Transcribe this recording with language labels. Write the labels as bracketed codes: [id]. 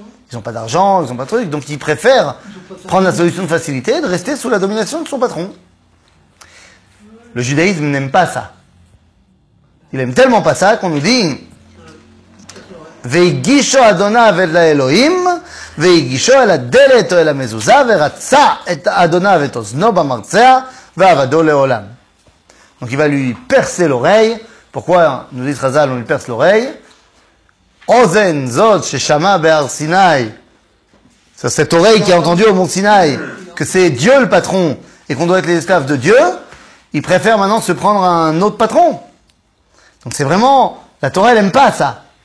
[fr] Ils n'ont pas d'argent, ils n'ont pas de trucs. Donc, ils préfèrent prendre la solution de facilité et de rester sous la domination de son patron. Le judaïsme n'aime pas ça. Il aime tellement pas ça qu'on nous dit... [he] והגישו אדוניו אל האלוהים, והגישו אל הדלת או אל המזוזה, ורצה את אדוניו את אוזנו במרצע, ועבדו לעולם. [fr] Donc il va lui percer l'oreille. Pourquoi nous dit Chazal, on lui perce l'oreille? [he] אוזן זאת ששמע בהר סיני. [fr] C'est cette oreille qui a entendu au mont Sinaï que c'est Dieu le patron et qu'on doit être les esclaves de Dieu. Il préfère maintenant se prendre un autre patron. Donc c'est vraiment, la Torah elle aime pas ça.